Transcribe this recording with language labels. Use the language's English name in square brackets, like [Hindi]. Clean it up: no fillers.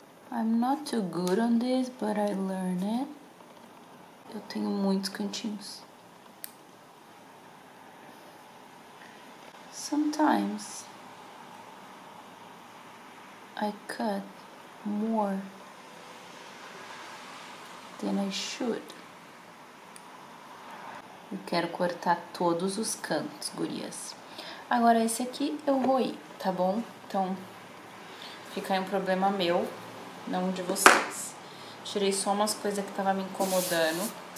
[English] I'm not too good on this, but I learned it. [Portuguese] Eu tenho muitos cantinhos. [English] Sometimes I cut more than I should. [Portuguese] Eu quero cortar todos os cantos, gurias. Agora esse aqui eu roí, tá bom? Então fica aí um problema meu, não de vocês. Tirei só umas coisas que tava me incomodando.